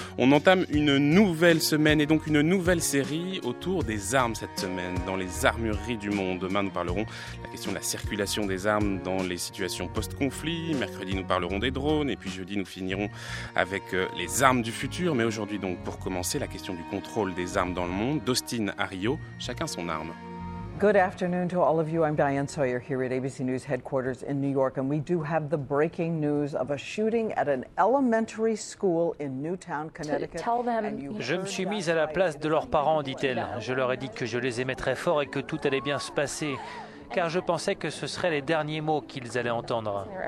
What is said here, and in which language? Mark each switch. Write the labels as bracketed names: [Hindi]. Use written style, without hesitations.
[French] On entame une nouvelle semaine et donc une nouvelle série autour des armes cette semaine, dans les armureries du monde. Demain, nous parlerons de la question de la circulation des armes dans les situations post-conflit. Mercredi, nous parlerons des drones et puis jeudi, nous finirons avec les armes du futur. Mais aujourd'hui, donc, pour commencer, la question du contrôle des armes dans le monde, d'Austin à Rio, chacun son arme. [English] Good afternoon to all of you. I'm Diane Sawyer here at ABC News headquarters in New York, and we do have the breaking news of a shooting at an elementary school in Newtown, Connecticut. Tell them. [French] Je me suis mise à la place de leurs parents, dit-elle. Je leur ai dit que je les aimais très fort et que tout allait bien se passer, car je pensais que ce seraient les derniers mots qu'ils allaient entendre.